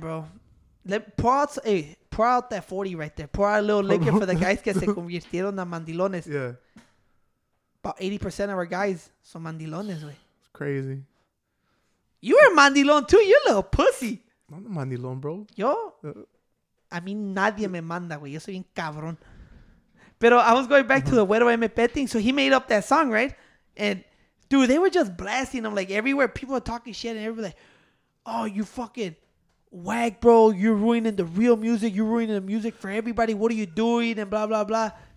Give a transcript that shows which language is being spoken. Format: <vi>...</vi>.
<en>Bro, pour out that 40 right there. Pour out a little liquor for the guys</en> <es>que se convirtieron a mandilones.</es> <en>Yeah. About 80% of our guys</en> <es>son mandilones, güey.</es> <en>It's crazy. You were a mandilon too, you little pussy. I'm a mandilon, bro.</en> <es>Yo? A mí nadie me manda, güey. Yo soy un cabrón. Pero</es> <en>I was going back to the Güero MP thing. So he made up that song, right? And, dude, they were just blasting them. Like, everywhere people are talking shit and everybody like, oh, you fucking... Wag, bro, you're ruining the real music. You're ruining the music for everybody. What are you doing? And blah, blah, blah.</en>